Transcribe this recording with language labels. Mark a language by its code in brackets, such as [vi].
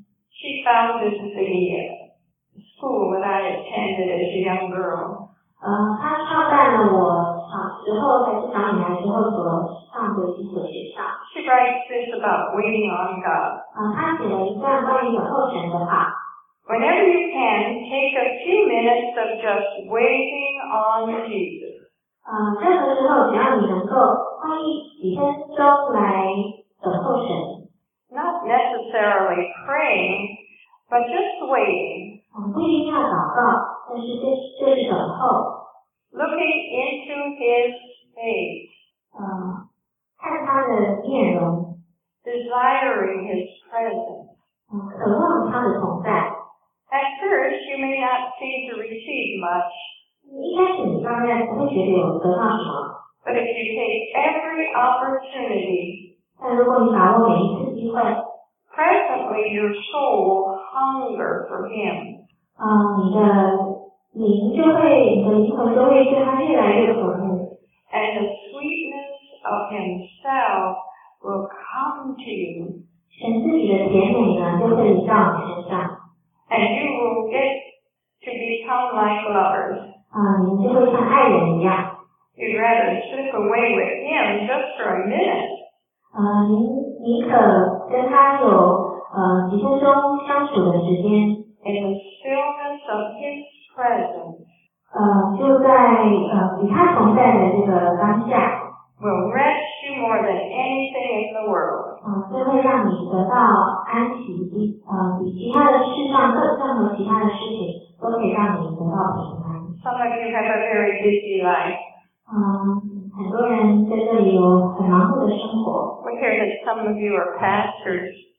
[en] She founded the school that I attended as a young girl. [zh] 她创办了我小时候还是小女孩时候所上的一所学校。 [en] She writes this about waiting on God. [zh] 她写了一段关于等候神的话。 [en] Whenever you can, take a few minutes of just waiting on Jesus. [zh] 任何时候只要你能够花一几分钟来等候神。 [en] Not necessarily praying, but just waiting. [zh] 不一定要祷告，但是就是等候。 [en] Looking into his face. [zh] 看他的面容 [en] desiring his presence. [zh] 渴望他的同在 [en] At first, you may not seem to receive much. [zh] 一开始你当然不会觉得有得到什么 [en] But if you take every opportunity, [zh] 但如果你把握每一次机会 [en] presently, your soul will hunger for him. [zh] 你的灵就会，你的灵魂就会对他越来越渴慕。 [en] And the sweetness of himself will come to you. [zh] 神自己的甜美呢，就会临到你身上。 [en] And you will get to become like lovers. [zh] 你就会像爱人一样。 [en] You'd rather slip away with him just for a minute. [zh] 你可跟他有几分钟相处的时间。 [en] In the stillness of his presence, [zh] 就在与他同在的这个当下 [en] will rest you more than anything in the world. [zh] 就会让你得到安息，比其他的事上任何其他的事情都可以让你得到平安。 [en] Some of you have a very busy life. [zh] 很多人在这里有很忙碌的生活。 [en] We hear that some of you are pastors.